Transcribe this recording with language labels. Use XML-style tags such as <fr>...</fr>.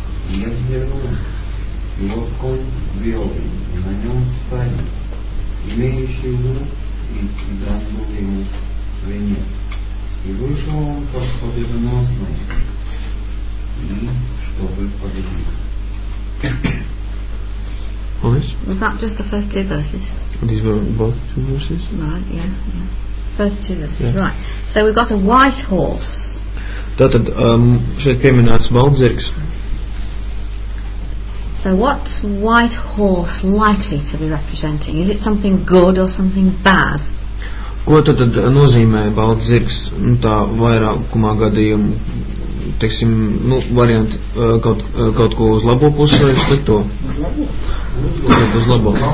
<ru>Я взглянул, и вот конь белый, и на нем всадник, имеющий зуб, и дан был ему венец. И вышел он как победоносный, и чтобы победить.</ru> <en>Was that just the first two verses? These were both two verses? Right, yeah. First two verses, yeah. Right. So we've got a white horse.</en> <lv>Tātad šeit pieminēts baldzirgs.</lv> <en>So what's white horse likely to be representing? Is it something good or something bad?</en> <lv>Ko tātad nozīmē baldzirgs? Nu, tā vairākumā gadījumu, teiksim, nu, varianti kaut ko uz labo pusi vai uz slikto? Uz labo.</lv>